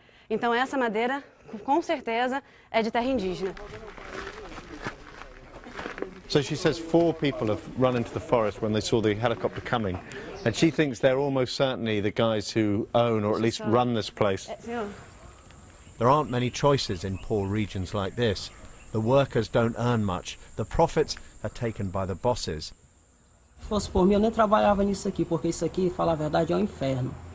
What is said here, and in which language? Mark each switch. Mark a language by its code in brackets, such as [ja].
[pt] Então, essa madeira, com certeza, é de terra indígena. [en] So she says four people have run into the forest when they saw the helicopter coming. And she thinks they're almost certainly the guys who own or at least run this place. There aren't many choices in poor regions like this. The workers don't earn much. The profits are taken by the bosses. [pt] Se fosse por mim, eu nem trabalhava nisso aqui, porque isso aqui, falar a verdade, é um inferno.